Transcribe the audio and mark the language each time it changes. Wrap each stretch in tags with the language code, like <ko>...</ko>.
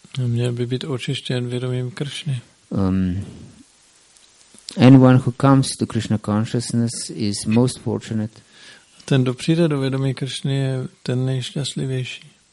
<cs>Měl by být očištěn vědomím Krishny.</cs> <en>Anyone who comes to Krishna consciousness is most fortunate.</en> <cs>Ten, kdo přijde do vědomí Krishny, je ten nejšťastlivější.</cs>